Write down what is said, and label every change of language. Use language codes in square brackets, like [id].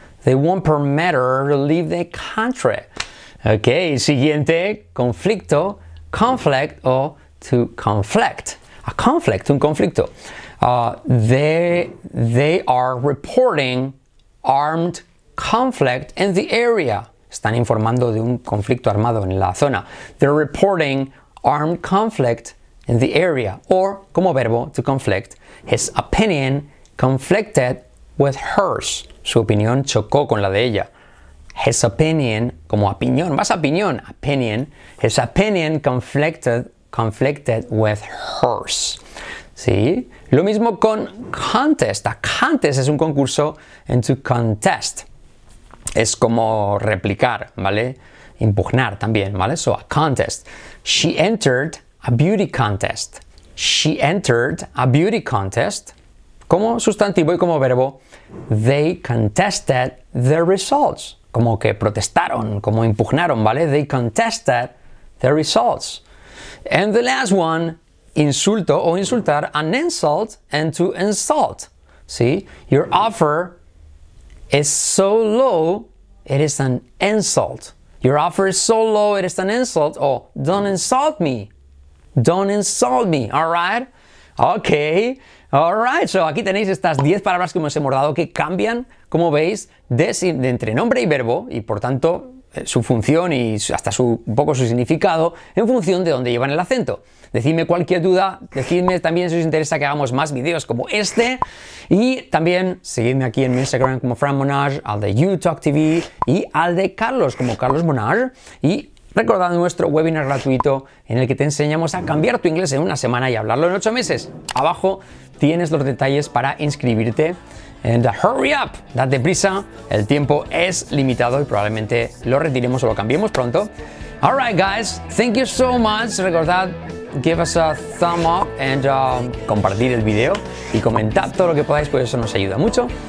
[en] They won't permit her to leave the country. Ok, [es] siguiente, conflicto, [en] conflict o to conflict. A conflict, [es] un conflicto. [en] They are reporting armed conflict in the area. [es] Están informando de un conflicto armado en la zona. [en] They're reporting armed conflict in the area, or [es] como verbo, [en] to conflict, his opinion conflicted with hers. [es] Su opinión chocó con la de ella. [en] His opinion, [es] como opinión, más opinión, [en] opinion, his opinion conflicted with hers. Sí. [es] Lo mismo con contest. [en] A contest [es] es un concurso, [en] and to contest [es] es como replicar, ¿vale? Impugnar también, ¿vale? [en] So, a contest. She entered a beauty contest. She entered a beauty contest. [es] Como sustantivo y como verbo, [en] they contested their results. [es] Como que protestaron, como impugnaron, ¿vale? [en] They contested their results. And the last one, [es] insulto o insultar, [en] an insult and to insult. ¿Sí? Your offer is so low, it is an insult. Your offer is so low, it is an insult. Oh, don't insult me. Don't insult me, all right? Okay, all right. [es] So, aquí tenéis estas 10 palabras que os hemos dado que cambian, como veis, de entre nombre y verbo, y por tanto, su función y hasta un poco su significado, en función de dónde llevan el acento. Decidme cualquier duda, decidme también si os interesa que hagamos más videos como este, y también seguidme aquí en mi Instagram como Fran Monage, al de YouTalkTV y al de Carlos como Carlos Monage, y recordad nuestro webinar gratuito en el que te enseñamos a cambiar tu inglés en una semana y hablarlo en 8 meses. Abajo tienes los detalles para inscribirte. [en] And hurry up, [es] date prisa, el tiempo es limitado y probablemente lo retiremos o lo cambiemos pronto. [en] All right, guys, thank you so much. [es] Recordad, [en] give us a thumb up [es] and compartir el video y comentad todo lo que podáis, pues eso nos ayuda mucho.